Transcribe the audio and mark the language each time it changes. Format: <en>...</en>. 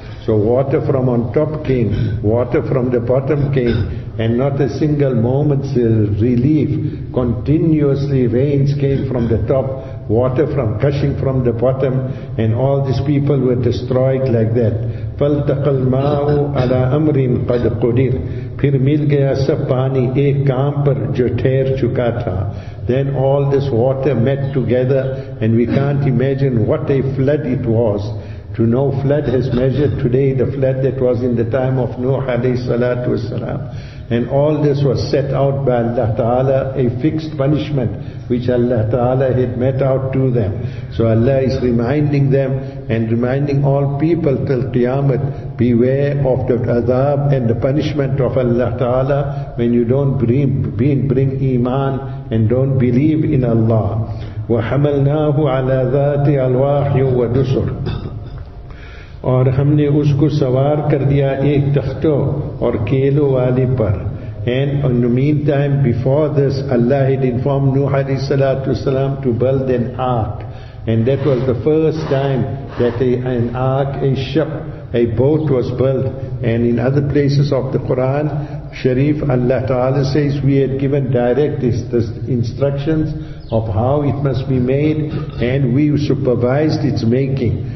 <en>So water from on top came, water from the bottom came, and not a single moment's relief. Continuously rains came from the top, water from gushing from the bottom, and all these people were destroyed like that.</en> <ar>فَالْتَقَ الْمَاءُ عَلَىٰ أَمْرٍ قَدْ قُدِرْ.</ar> <ur>پھر مل گیا سب پانی ایک کام پر جو ٹھہر چکا تھا.</ur> <en>Then all this water met together, and we can't imagine what a flood it was. To know flood has measured today the flood that was in the time of Nuh alayhi salatu wasalam. And all this was set out by Allah Ta'ala, a fixed punishment which Allah Ta'ala had met out to them. So Allah is reminding them and reminding all people till Qiyamah, beware of the azab and the punishment of Allah Ta'ala when you don't bring Iman and don't believe in Allah.</en> <ar>وَحَمَلْنَاهُ عَلَىٰ ذَاتِ أَلْوَاحٍ وَدُسُرٍ.</ar> <ur>اور ہم نے اس کو سوار کر دیا ایک تختوں اور کیلوں والے پر.</ur> <en>And in the meantime, before this, Allah had informed Nuh alayhi salatu wasalam to build an ark. And that was the first time that an ark, a ship, a boat was built. And in other places of the Quran Sharif, Allah Ta'ala says, we had given direct instructions of how it must be made, and we supervised its making.</en>